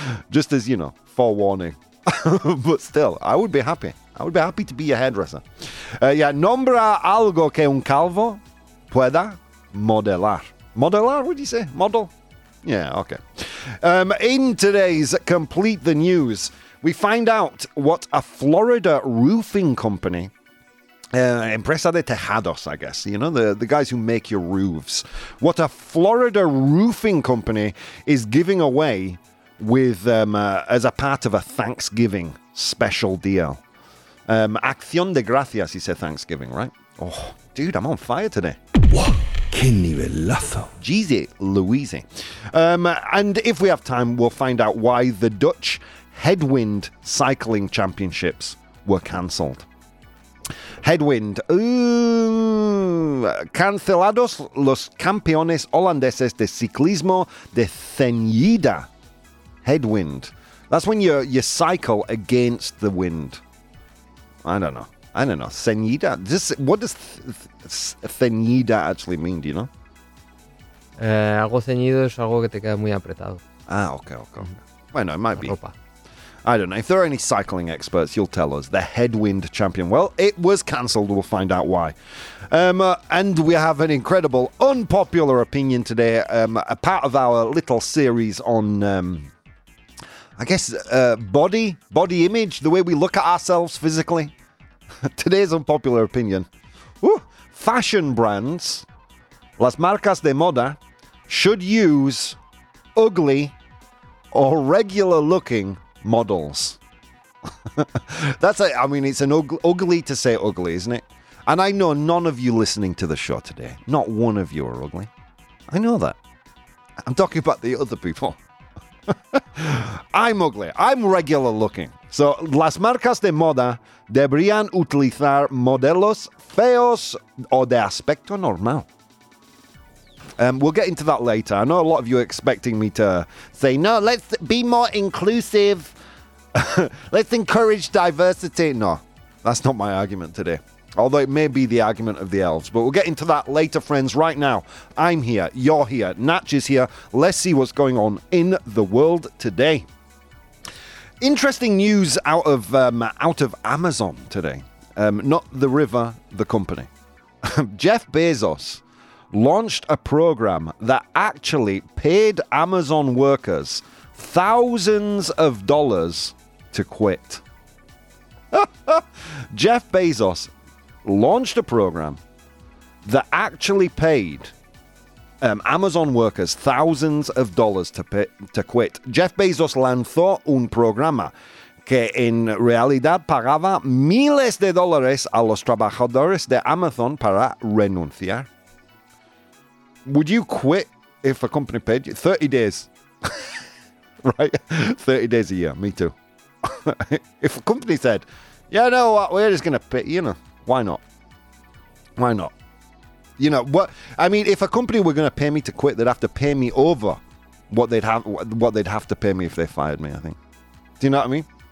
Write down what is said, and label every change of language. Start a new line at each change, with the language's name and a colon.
English: Just as, you know, forewarning. But still, I would be happy. I would be happy to be your hairdresser.
Spanish: Yeah, nombra algo que un calvo pueda modelar.
English: Modelar, what do you say? Model? Yeah, okay. In today's Complete the News, we find out what a Florida roofing company, Empresa de Tejados, I guess, you know, the guys who make your roofs, what a Florida roofing company is giving away with as a part of a Thanksgiving special deal. Acción de Gracias, you say Thanksgiving, right? Oh, dude, I'm on fire today. What? Kinnivelazo. Jeezy Louise. And if we have time, we'll find out why the Dutch Headwind Cycling Championships were cancelled. Headwind. Ooh.
Spanish: Cancelados los campeones holandeses de ciclismo de ceñida.
English: Headwind. That's when you cycle against the wind. I don't know.
Spanish: Ceñida.
English: What does ceñida actually mean? Do you know?
Spanish: Algo ceñido es algo que te queda muy apretado.
English: Ah, okay. Bueno, it might be. I don't know. If there are any cycling experts, you'll tell us. The Headwind Champion. Well, it was cancelled. We'll find out why. And we have an incredible, unpopular opinion today. A part of our little series on, body image, the way we look at ourselves physically. Today's unpopular opinion. Ooh, fashion brands, las marcas de moda, should use ugly or regular looking models. It's an ugly to say ugly, isn't it? And I know none of you listening to the show today, not one of you are ugly. I know that. I'm talking about the other people. I'm ugly. I'm regular looking.
Spanish: So, las marcas de moda deberían utilizar modelos feos o de aspecto normal.
English: We'll get into that later. I know a lot of you are expecting me to say, no, let's be more inclusive. Let's encourage diversity. No, That's not my argument today. Although it may be the argument of the elves. But we'll get into that later, friends. Right now, I'm here, you're here, Natch is here. Let's see what's going on in the world today. Interesting news out of Amazon today. Not the river, the company. Jeff Bezos launched a program that actually paid Amazon workers thousands of dollars to quit. Jeff Bezos launched a program that actually paid Amazon workers thousands of dollars to quit.
Spanish: Jeff Bezos lanzó un programa que en realidad pagaba miles de dólares a los trabajadores de Amazon para renunciar.
English: Would you quit if a company paid you 30 days? Right? 30 days a year. Me too. If a company said, yeah, you know what? We're just going to pay, you know, why not? Why not? You know what? I mean, if a company were going to pay me to quit, they'd have to pay me over what they'd have to pay me if they fired me, I think. Do you know what I mean?